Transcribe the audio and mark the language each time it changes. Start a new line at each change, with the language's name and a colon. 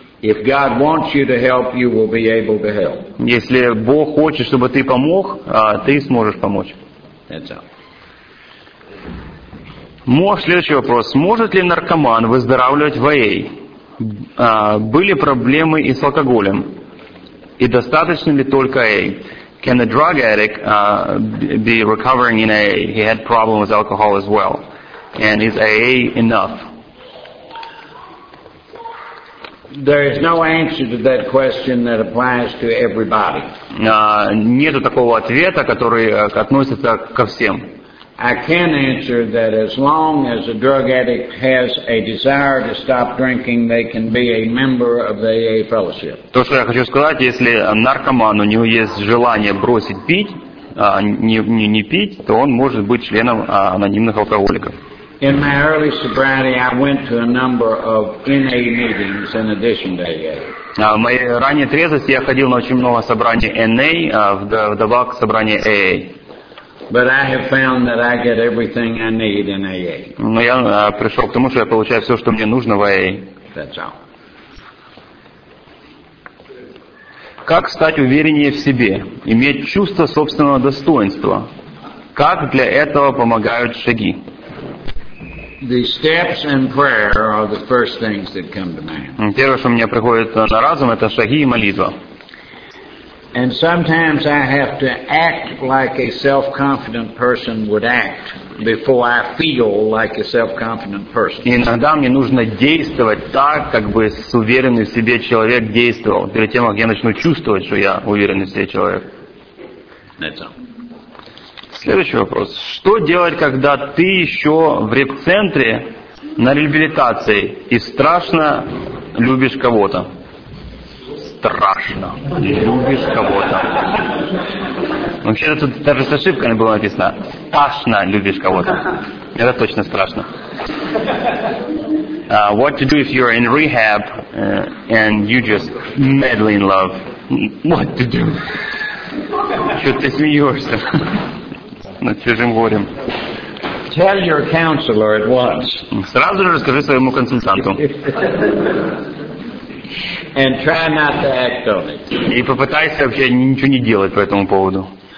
English: If God wants you to help, you will be able to help.
Russian: Если Бог хочет, чтобы ты помог, ты сможешь помочь.
English: That's all.
Russian: Следующий вопрос. Может ли наркоман выздоравливать в АА? Были проблемы и с алкоголем? И достаточно ли только АА?
English: Can a drug addict be recovering in AA? He had problems with alcohol as well. And is AA enough? There is no answer to that question that applies to everybody.
Russian: Нету такого ответа, который относится ко всем.
English: I can answer that as long as a drug addict has a desire to stop drinking, they can be a member of the AA fellowship.
Russian: То, что я хочу сказать, если наркоман, у него есть желание бросить пить, не пить, то он может быть членом анонимных алкоголиков.
English: In my early sobriety, I went to a number of NA meetings in addition to AA.
Russian: В моей ранней трезвости я ходил на очень много собраний NA, вдобавок к собранию AA.
English: But I have found that I get everything I need in AA.
Russian: Но я пришел к тому, что я получаю все, что мне нужно в AA.
English: That's all.
Russian: Как стать увереннее в себе? Иметь чувство собственного достоинства. Как для этого помогают шаги?
English: The steps and prayer are the first things that come to mind.
Russian: Первое, что мне приходит на разум, это шаги и молитва.
English: And sometimes I have to act like a self-confident person would act before I feel like a self-confident person.
Russian: Иногда мне нужно действовать так, как бы с уверенным в себе человек действовал, перед тем, как я начну чувствовать, что я уверенный в себе человек.
English: That's all.
Russian: Следующий вопрос. Что делать, когда ты еще в реп-центре на реабилитации и страшно любишь кого-то? Страшно. Любишь кого-то. Вообще-то тут даже с ошибками было написано. Страшно любишь кого-то. Это точно страшно.
English: What to do if you're in rehab and you just madly in love? What to do?
Russian: Чего ты смеешься? Над чужим горем.
English: Tell your counselor at once.
Russian: Сразу же расскажи своему консультанту.
English: And try not to act on it.
Russian: И попытайся вообще ничего не делать по этому поводу.